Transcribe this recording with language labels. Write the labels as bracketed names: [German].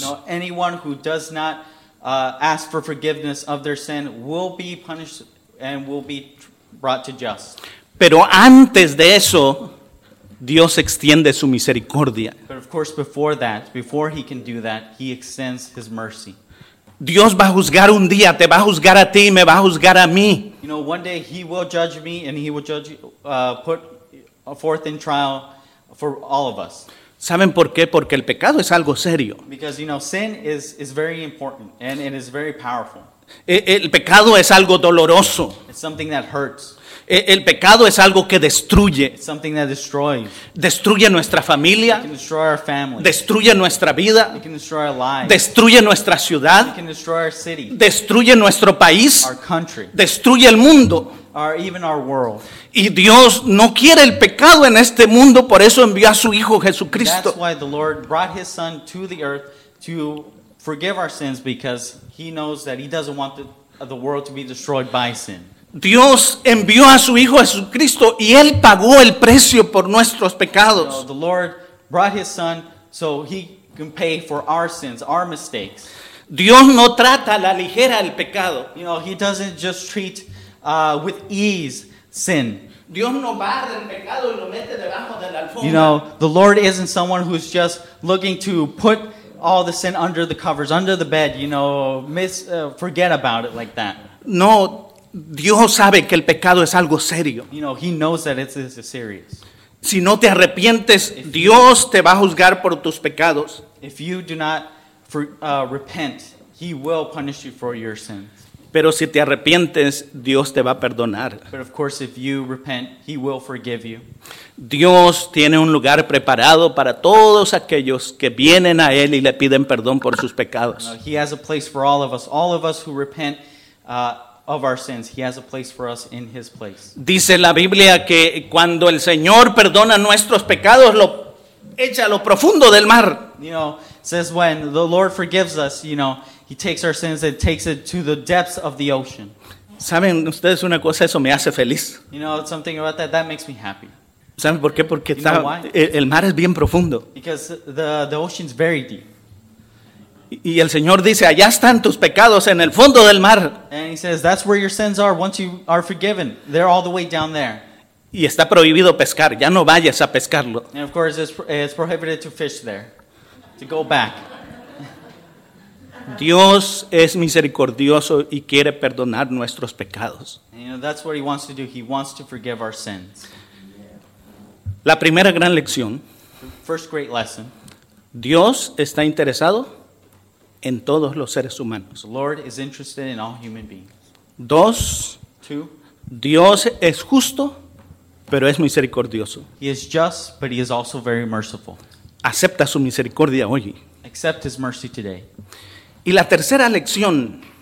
[English] No, anyone who does not ask for forgiveness of their sin will be punished and will be brought to justice. [Spanish] Pero antes de eso, Dios extiende su misericordia. [English] But of course, before that, before he can do that, he extends his mercy. [Spanish] Dios va a juzgar un día, te va a juzgar a ti, me va a juzgar a mí. [English] You know, one day he will judge me and he will judge, put forth in trial for all of us. [Spanish] ¿Saben por qué? Porque el pecado es algo serio. [English] Because, you know, sin is very important and it is very powerful. [Spanish] El pecado es algo doloroso. [English] It's something that hurts. [Spanish] El pecado es algo que destruye. [English] It's something that destroys. [Spanish] Destruye nuestra familia. [English] It can destroy our family. [Spanish] Destruye nuestra vida. [English] It can destroy our lives. [Spanish] Destruye nuestra ciudad. [English] It can destroy our city. [Spanish] Destruye nuestro país. [English] Our country. [Spanish] Destruye el mundo. [English] Or even our world. [Spanish] Y Dios no quiere el pecado en este mundo, por eso envió a su Hijo Jesucristo. [English] That's why the Lord brought his son to the earth to forgive our sins, because he knows that he doesn't want the world to be destroyed by sin. [Spanish] Dios envió a su Hijo Jesucristo y él pagó el precio por nuestros pecados. [English] You know, the Lord brought his son so he can pay for our sins, our mistakes. [Spanish] Dios no trata a la ligera el pecado. [English] You know, he doesn't just treat with ease sin. [Spanish] Dios no barra el pecado y lo mete debajo de la alfombra. [English] You know, the Lord isn't someone who's just looking to put all the sin under the covers, under the bed, you know, forget about it like that. [Spanish] No, Dios sabe que el pecado es algo serio. [English] You know, he knows that it's serious. [Spanish] Si no te arrepientes, Dios te va a juzgar por tus pecados. [English] If you do not repent, he will punish you for your sins. [Spanish] Pero si te arrepientes, Dios te va a perdonar. [English] But of course, if you repent, he will forgive you. [Spanish] Dios tiene un lugar preparado para todos aquellos que vienen a él y le piden perdón por sus pecados. [English] He has a place for all of us. All of us who repent of our sins, he has a place for us in his place. [Spanish] Dice la Biblia que cuando el Señor perdona nuestros pecados, lo echa a lo profundo del mar. [English] You know, says when the Lord forgives us, you know, he takes our sins and takes it to the depths of the ocean. [Spanish] ¿Saben ustedes una cosa? Eso me hace feliz. [English] You know something about that? That makes me happy. [Spanish] ¿Saben por qué? Porque está, el mar es bien profundo. [English] Because the ocean's very deep. [Spanish] Y el Señor dice, allá están tus pecados en el fondo del mar. [English] And he says, that's where your sins are once you are forgiven. They're all the way down there. [Spanish] Y está prohibido pescar. Ya no vayas a pescarlo. [English] And of course, it's prohibited to fish there. To go back. [Spanish] Dios es misericordioso y quiere perdonar nuestros pecados. [English] You know, that's what he wants to do. He wants to forgive our sins. [Spanish] La primera gran lección. [English] First great lesson. [Spanish] Dios está interesado en todos los seres humanos. [English] The Lord is interested in all human beings. [Spanish] Dos. [English] Two. [Spanish] Dios es justo, pero es misericordioso. [English] He is just, but he is also very merciful. [Spanish] Acepta su misericordia hoy. [English] Accept his mercy today. [Spanish] Y la tercera lección,